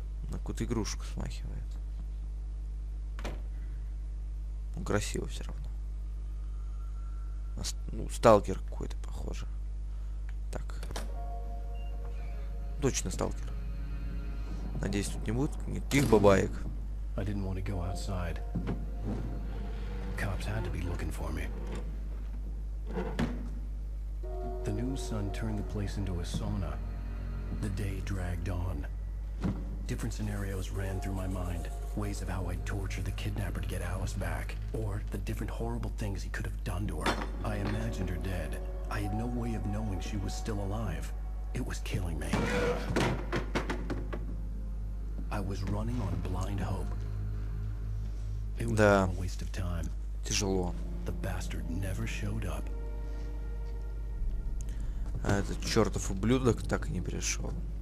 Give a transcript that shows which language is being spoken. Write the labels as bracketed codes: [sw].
[ru] На какую-то игрушку смахивает. Ну, красиво все равно. Ну, сталкер какой-то, похоже. Так. Точно сталкер. Надеюсь, тут не будет никаких бабаек. [en] I didn't want to go outside. Cops had to be looking for me. The new sun turned the place into a sauna. The day dragged on. Different scenarios ran through my mind. Ways of how I'd torture the kidnapper to get Alice back, or the different horrible things he could have done to her. I imagined her dead. I had no way of knowing she was still alive. It was killing me. I was running on blind hope. It was a waste of time. [ru] Тяжело. [en] The bastard never showed up. [ru] А этот чертов ублюдок так и не пришел.